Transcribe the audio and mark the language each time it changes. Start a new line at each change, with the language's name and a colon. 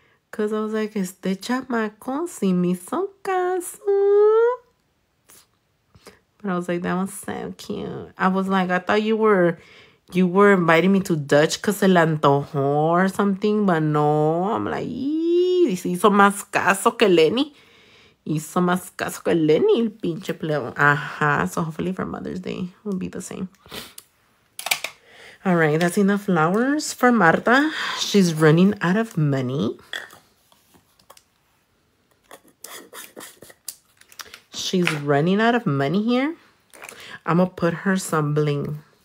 English: Because I was like,
Spanish: este chamaco si me hizo caso.
English: But I was like, that was so cute. I was like, I thought you were inviting me to Dutch because
Spanish: se le antojó
English: or something. But no, I'm like,
Spanish: hizo más caso que Lenny. Hizo más caso que Lenny, el pinche plebo. Ajá.
English: So hopefully for Mother's Day will be the same. All right, that's enough flowers for Marta. She's running out of money. She's running out of money here. I'm gonna put her some bling.